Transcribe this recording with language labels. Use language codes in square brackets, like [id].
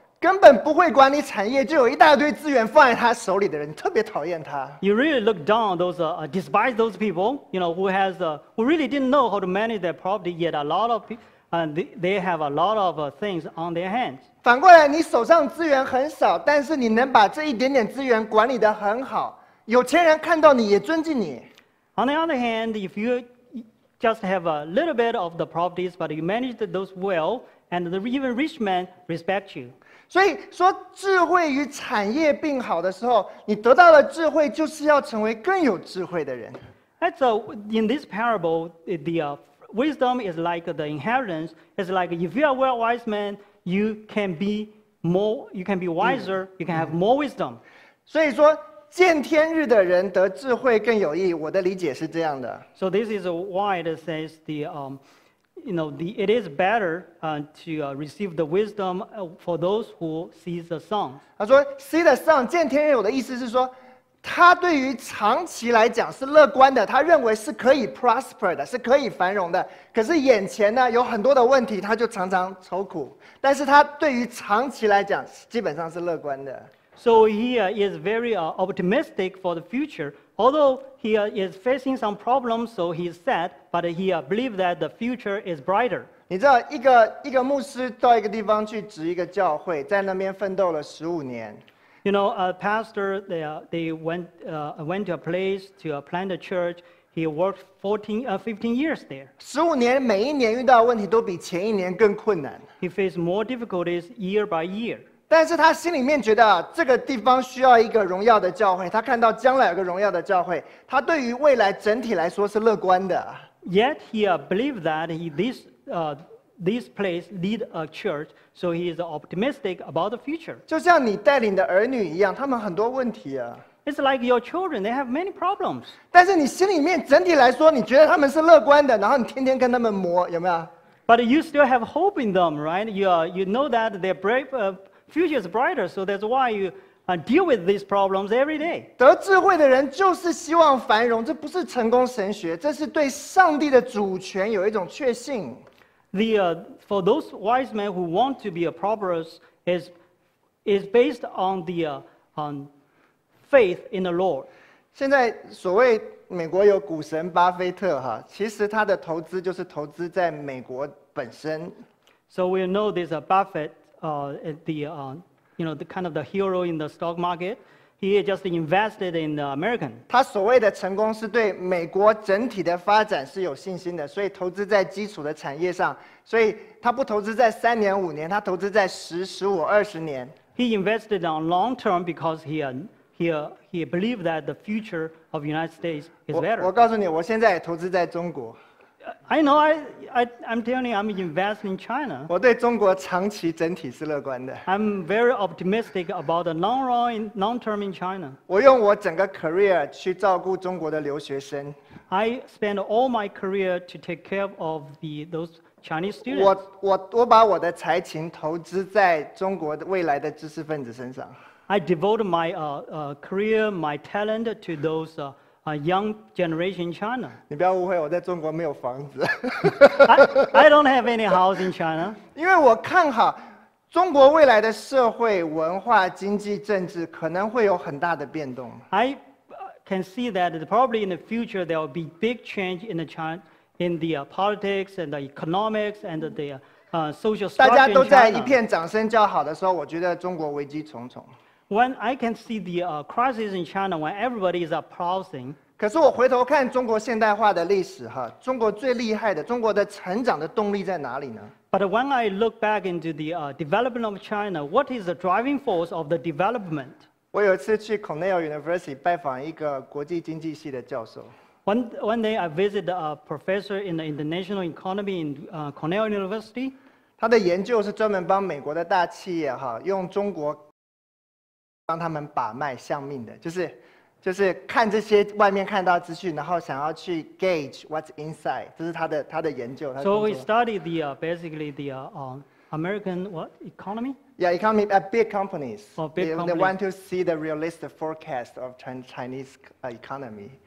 [zh] 根本不会管理产业，就有一大堆资源放在他手里的人，特别讨厌他。 [en] You really look down those, despise those people, you know, who really didn't know how to manage their property, yet a lot of, they have a lot of things on their hands. [zh] 反过来，你手上资源很少，但是你能把这一点点资源管理得很好，有钱人看到你也尊敬你。 [en] On the other hand, if you just have a little bit of the properties, but you manage those well, and the even rich men respect you. [zh] 所以说智慧与产业并好的时候，你得到了智慧就是要成为更有智慧的人。 [en] So in this parable, the wisdom is like the inheritance. It's like if you are a wise man, you can be more, you can be wiser, you can have more wisdom. [zh] 所以说见天日的人得智慧更有益，我的理解是这样的。 [en] So this is why it says the,You know, it is better to receive the wisdom for those who see the sun. [zh] 他说 ， [en] see the sun， [zh] 见天日，我的意思是说，他对于长期来讲是乐观的，他认为是可以 prosper 的，是可以繁荣的。可是眼前呢，有很多的问题，他就常常愁苦。但是他对于长期来讲，基本上是乐观的。 [en] So he is very optimistic for the future. Although he is facing some problems, so he's sad, but he believes that the future is brighter. [zh] 你知道一个牧师到一个地方去执一个教会，在那边奋斗了十五年。 [en] You know, a pastor they went to a place to plant a church. He worked 15 years there. [zh] 十五年，每一年遇到问题都比前一年更困难。 [en] He faced more difficulties year by year. [zh] 但是他心里面觉得这个地方需要一个荣耀的教会，他看到将来有个荣耀的教会，他对于未来整体来说是乐观的。 [en] Yet he believed that this place need a church, so he is optimistic about the future. [zh] 就像你带领的儿女一样，他们很多问题啊。 [en] It's like your children, they have many problems. [zh] 但是你心里面整体来说，你觉得他们是乐观的，然后你天天跟他们磨，有没有？ [en] But you still have hope in them, right? You know that their brave, future is brighter, so that's why you deal with these problems every day. [zh] 得智慧的人就是希望繁荣，这不是成功神学，这是对上帝的主权有一种确信。 [en] For those wise men who want to be a prosperous is based on the faith in the Lord. [zh] 现在所谓美国有股神巴菲特哈，其实他的投资就是投资在美国本身。 [en] So we know this Buffett, the kind of the hero in the stock market. He just invested in the American. [zh] 他所谓的成功是对美国整体的发展是有信心的，所以投资在基础的产业上。所以他不投资在三年五年，他投资在十、十五、二十年。 [en] He invested on long term because he believed that the future of the United States is better. [zh] 我告诉你，我现在也投资在中国。 [en] I know, I'm telling you, I'm investing in China. [zh] 我对中国长期整体是乐观的。 [en] I'm very optimistic about the long term in China. [zh] 我用我整个 career 去照顾中国的留学生。 [en] I spend all my career to take care of those Chinese students. [zh] 我把我的才情投资在中国未来的知识分子身上。 [en] I devote my career, my talent to those young generation in China. [zh] 你不要误会，我在中国没有房子。 [en] I don't have any house in China. [zh] 因为我看好中国未来的社会、文化、经济、政治可能会有很大的变动。 [en] I can see that probably in the future there will be big change in the China, in the politics and the economics and the social structure. [zh] 大家都在一片掌声叫好的时候，我觉得中国危机重重。 [en] When I can see the crisis in China, when everybody is applauding. [zh] 可是我回头看中国现代化的历史，哈，中国最厉害的，中国的成长的动力在哪里呢？ [en] But when I look back into the development of China, what is the driving force of the development? [zh] 我有一次去 Cornell University 拜访一个国际经济系的教授。 [en] One day I visited a professor in the international economy in Cornell University. [zh] 他的研究是专门帮美国的大企业，哈，用中国帮他们把脉相命的，就是看这些外面看到资讯，然后想要去 [en] gauge what's inside， [zh] 这是他的研究。 [en] So we studied the basically the American what economy? Yeah, economy at big companies. Oh, big companies. They want to see the realistic forecast of Chinese economy.